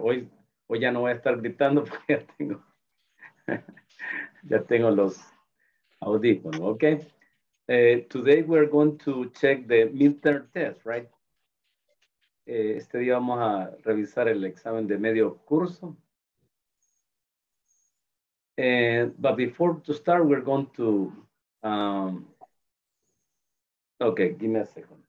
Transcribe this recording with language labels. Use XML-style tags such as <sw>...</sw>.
<es>Hoy ya no voy a estar gritando porque ya tengo los audífonos. Ok.</es> <en>Today we're going to check the midterm test, right?</en> <es>Este día vamos a revisar el examen de medio curso.</es> <en>But before to start, we're going to, okay, give me a second.</en>